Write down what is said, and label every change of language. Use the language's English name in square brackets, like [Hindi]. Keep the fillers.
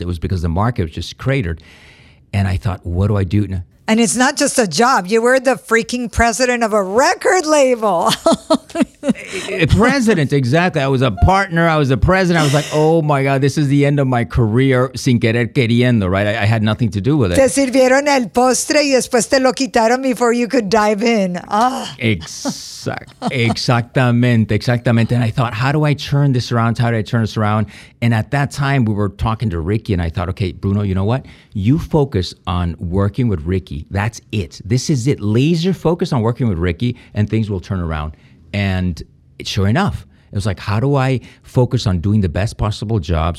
[English] It was because the market was just cratered. And I thought, what do I do now? And it's not just a job. You were the freaking president of a record label. president, exactly. I was a partner. I was a president. I was like, oh my God, this is the end of my career [Spanish] sin querer queriendo, [English] right? I, I had nothing to do with it. [Spanish] Te sirvieron el postre y después te lo quitaron [English] before you could dive in. Ah. [Spanish] Exact, exactamente, exactamente. [English] And I thought, how do I turn this around? How do I turn this around? And at that time, we were talking to Ricky, and I thought, okay, Bruno, you know what? You focus on working with Ricky. That's it. This is it. Laser focus on working with Ricky, and things will turn around. And it- sure enough, it was like, how do I focus on doing the best possible job?